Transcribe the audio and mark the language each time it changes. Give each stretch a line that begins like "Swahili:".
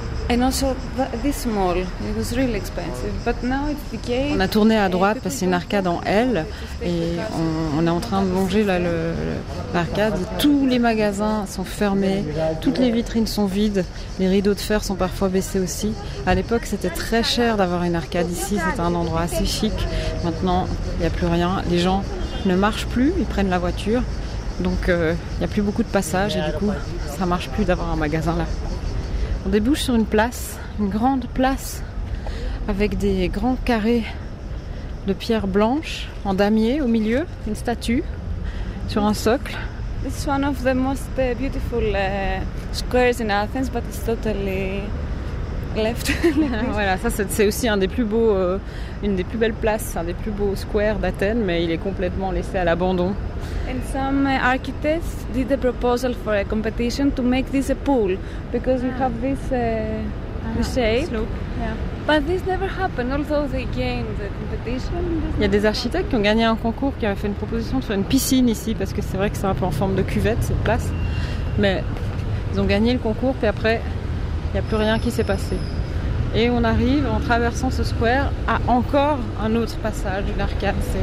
English: And also this mall, it was really expensive. But now it's the case.
French: On a tourné à droite parce qu'il y a une arcade en L et on est en train de longer l'arcade. Tous les magasins sont fermés, toutes les vitrines sont vides, les rideaux de fer sont parfois baissés aussi. À l'époque, c'était très cher d'avoir une arcade ici, c'était un endroit assez chic. Maintenant, il n'y a plus rien. Les gens ne marchent plus, ils prennent la voiture. Donc, il n'y a plus beaucoup de passages et du coup, ça ne marche plus d'avoir un magasin là. On débouche sur une place, une grande place, avec des grands carrés de pierre blanche en damier au milieu, une statue sur un socle.
English: This is one of the most beautiful squares in Athens, but it's totally left.
French: Voilà, ça c'est aussi un des plus beaux, une des plus belles places, un des plus beaux squares d'Athènes, mais il est complètement laissé à l'abandon.
English: And some architects did a proposal for a competition to make this a pool because we have this this shape. Slope. Yeah. But this never happened. Although they gained the competition.
French: Il y a des architectes qui ont gagné un concours qui avaient fait une proposition de faire une piscine ici parce que c'est vrai que c'est un peu en forme de cuvette cette place, mais ils ont gagné le concours puis après il n'y a plus rien qui s'est passé. Et on arrive en traversant ce square à encore un autre passage, une arcade.